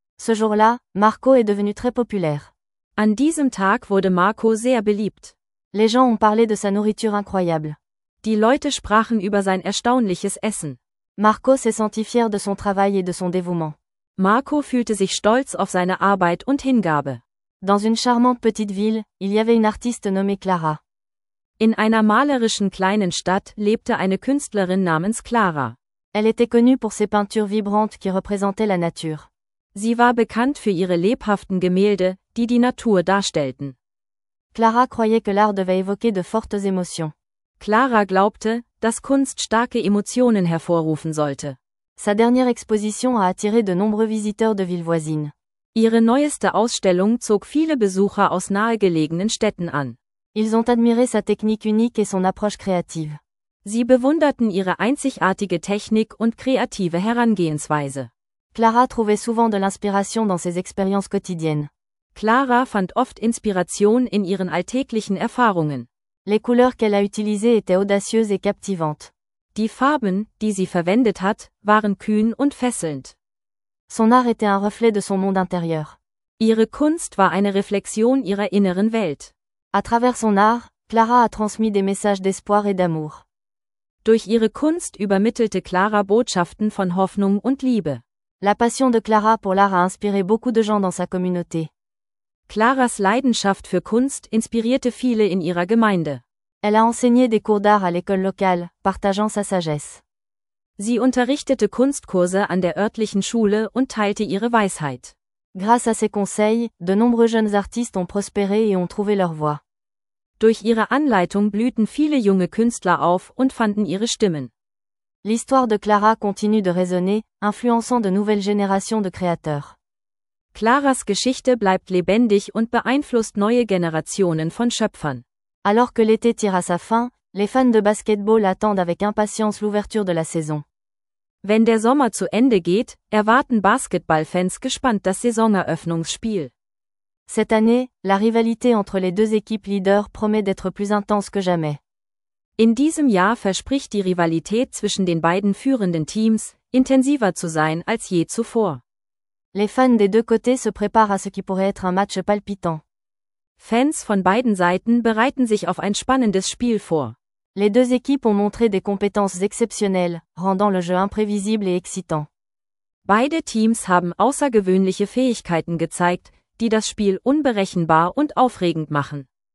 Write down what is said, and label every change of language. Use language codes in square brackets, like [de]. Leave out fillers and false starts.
[fr] Ce jour-là, Marco est devenu très populaire. [de] An diesem Tag wurde Marco sehr beliebt. [fr] Les gens ont parlé de sa nourriture incroyable. [de] Die Leute sprachen über sein erstaunliches Essen. [fr] Marco s'est senti fier de son travail et de son dévouement. [de] Marco fühlte sich stolz auf seine Arbeit und Hingabe. [fr] Dans une charmante petite ville, il y avait une artiste nommée Clara. [de] In einer malerischen kleinen Stadt lebte eine Künstlerin namens Clara. [fr] Elle était connue pour ses peintures vibrantes qui représentaient la nature. [de] Sie war bekannt für ihre lebhaften Gemälde, die die Natur darstellten. [fr] Clara croyait que l'art devait évoquer de fortes émotions. [de] Clara glaubte, dass Kunst starke Emotionen hervorrufen sollte. [fr] Sa dernière exposition a attiré de nombreux visiteurs de villes voisines. [de] Ihre neueste Ausstellung zog viele Besucher aus nahegelegenen Städten an. [fr] Ils ont admiré sa technique unique et son approche créative. [de] Sie bewunderten ihre einzigartige Technik und kreative Herangehensweise. [fr] Clara trouvait souvent de l'inspiration dans ses expériences quotidiennes. [de] Clara fand oft Inspiration in ihren alltäglichen Erfahrungen. [fr] Les couleurs qu'elle a utilisées étaient audacieuses et captivantes. [de] Die Farben, die sie verwendet hat, waren kühn und fesselnd. [fr] Son art était un reflet de son monde intérieur. [de] Ihre Kunst war eine Reflexion ihrer inneren Welt. [fr] À travers son art, Clara a transmis des messages d'espoir et d'amour. [de] Durch ihre Kunst übermittelte Clara Botschaften von Hoffnung und Liebe. [fr] La passion de Clara pour l'art a inspiré beaucoup de gens dans sa communauté. [de] Claras Leidenschaft für Kunst inspirierte viele in ihrer Gemeinde. [fr] Elle a enseigné des cours d'art à l'école locale, partageant sa sagesse. [de] Sie unterrichtete Kunstkurse an der örtlichen Schule und teilte ihre Weisheit. [fr] Grâce à ses conseils, de nombreux jeunes artistes ont prospéré et ont trouvé leur voie. [de] Durch ihre Anleitung blühten viele junge Künstler auf und fanden ihre Stimmen. [fr] L'histoire de Clara continue de résonner, influençant de nouvelles générations de créateurs. [de] Claras Geschichte bleibt lebendig und beeinflusst neue Generationen von Schöpfern. [fr] Alors que l'été tire à sa fin, les fans de basketball attendent avec impatience l'ouverture de la saison. [de] Wenn der Sommer zu Ende geht, erwarten Basketballfans gespannt das Saisoneröffnungsspiel. [fr] Cette année, la rivalité entre les deux équipes leaders promet d'être plus intense que jamais. [de] In diesem Jahr verspricht die Rivalität zwischen den beiden führenden Teams, intensiver zu sein als je zuvor. [fr] Les fans des deux côtés se préparent à ce qui pourrait être un match palpitant. [de] Fans von beiden Seiten bereiten sich auf ein spannendes Spiel vor. [fr] Les deux équipes ont montré des compétences exceptionnelles, rendant le jeu imprévisible et excitant. [de] Beide Teams haben außergewöhnliche Fähigkeiten gezeigt, die das Spiel unberechenbar und aufregend machen.